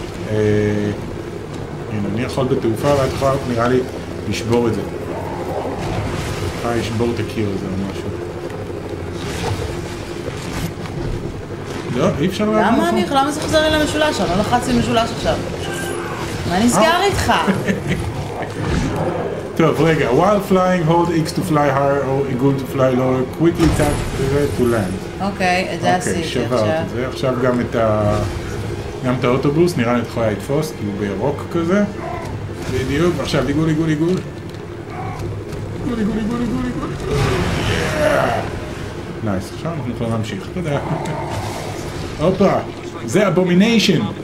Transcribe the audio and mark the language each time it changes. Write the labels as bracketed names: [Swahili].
[Hebrew] הנה, אני יכול בתעופה, ואת יכולה, נראה לי, לשבור את זה. אה, לשבור את הקיר הזה או משהו. לא, אי אפשר להגיד. למה אני יכולה? למה זה חוזר אל המשולש? אני לא לחץ עם משולש עכשיו. מה נסגר איתך? [English] טוב, רגע, while flying, hold X to fly higher, or eagle to fly lower, quickly tap to land. [Hebrew] אוקיי, את זה עשיתי עכשיו. אוקיי, שברת את זה. עכשיו גם את ה... גם את האוטובוס, נראה לי את יכולה לתפוס, כי הוא בירוק כזה. בדיוק, עכשיו עיגול, עיגול, עיגול. נייס, עכשיו אנחנו יכולים להמשיך, תודה. אופה, זה אבומיניישן.